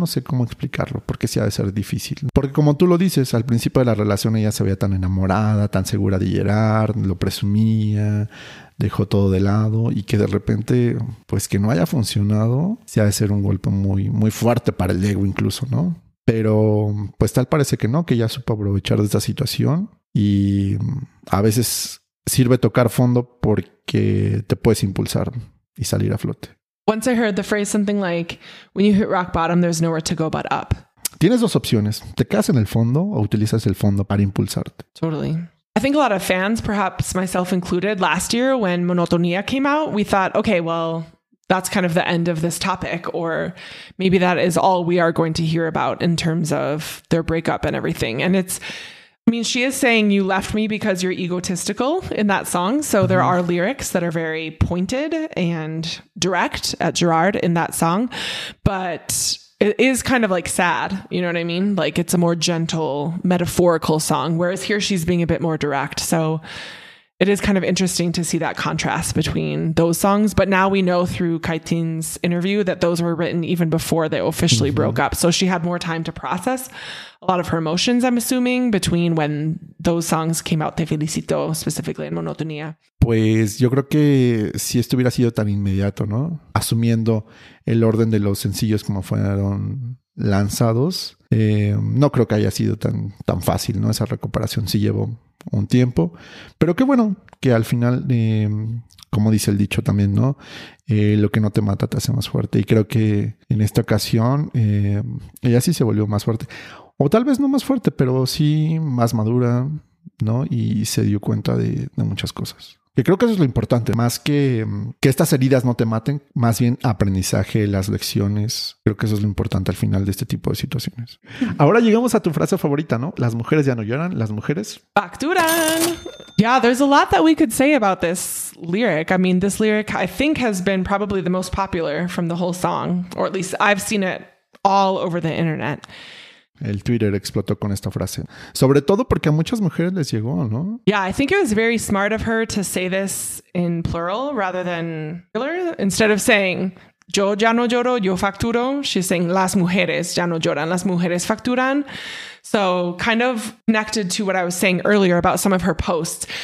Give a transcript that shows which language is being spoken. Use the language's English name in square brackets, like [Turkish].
[Spanish] No sé cómo explicarlo, porque sí ha de ser difícil. Porque como tú lo dices, al principio de la relación ella se veía tan enamorada, tan segura de Gerard, lo presumía, dejó todo de lado y que de repente, pues que no haya funcionado, sí ha de ser un golpe muy, muy fuerte para el ego incluso, ¿no? Pero pues tal parece que no, que ya supo aprovechar de esta situación y a veces sirve tocar fondo porque te puedes impulsar y salir a flote. [English] Once I heard the phrase something like, when you hit rock bottom, there's nowhere to go but up. [Spanish] Tienes dos opciones, te quedas en el fondo o utilizas el fondo para impulsarte. [English] Totally. I think a lot of fans, perhaps myself included, last year when Monotonía came out, we thought, okay, well, that's kind of the end of this topic, or maybe that is all we are going to hear about in terms of their breakup and everything. And it's, I mean, she is saying you left me because you're egotistical in that song. So there are lyrics that are very pointed and direct at Gerard in that song, but it is kind of like sad. You know what I mean? Like it's a more gentle metaphorical song, whereas here she's being a bit more direct. So it is kind of interesting to see that contrast between those songs. But now we know through Kaitin's interview that those were written even before they officially broke up. So she had more time to process a lot of her emotions, I'm assuming, between when those songs came out, Te Felicito, specifically in Monotonía. [Spanish] Pues yo creo que si esto hubiera sido tan inmediato, ¿no? Asumiendo el orden de los sencillos como fueron lanzados, no creo que haya sido tan fácil, ¿no? Esa recuperación sí llevó un tiempo, pero qué bueno que al final, como dice el dicho también, ¿no? Lo que no te mata te hace más fuerte. Y creo que en esta ocasión ella sí se volvió más fuerte. O tal vez no más fuerte, pero sí más madura, ¿no? Y se dio cuenta de muchas cosas. Que creo que eso es lo importante. Más que estas heridas no te maten, más bien aprendizaje, las lecciones. Creo que eso es lo importante al final de este tipo de situaciones. Ahora llegamos a tu frase favorita, ¿no? Las mujeres ya no lloran, las mujeres facturan. [English] Yeah, there's a lot that we could say about this lyric. I mean, this lyric I think has been probably the most popular from the whole song. Or at least I've seen it all over the internet. [Spanish] El Twitter explotó con esta frase. Sobre todo porque a muchas mujeres les llegó, ¿no? [English] Yeah, I think it was very smart of her to say this in plural rather than singular. Instead of saying, [Spanish] yo ya no lloro, yo facturo, [English] she's saying, [Spanish] las mujeres ya no lloran, las mujeres facturan. [English] So kind of connected to what I was saying earlier about some of her posts.